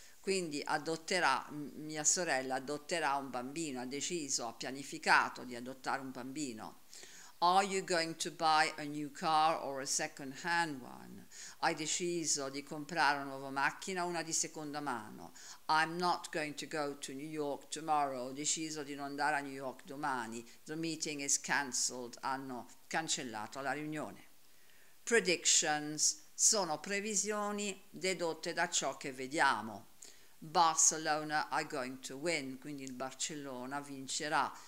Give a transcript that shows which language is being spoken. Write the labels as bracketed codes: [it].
[it] Quindi adotterà, mia sorella adotterà un bambino, ha deciso, ha pianificato di adottare un bambino. [en] Are you going to buy a new car or a second hand one? [it] Hai deciso di comprare una nuova macchina o una di seconda mano? [en] I'm not going to go to New York tomorrow. [it] Ho deciso di non andare a New York domani. [en] The meeting is cancelled. [it] Hanno cancellato la riunione. Predictions sono previsioni dedotte da ciò che vediamo. [en] Barcelona are going to win. [it] Quindi il Barcellona vincerà.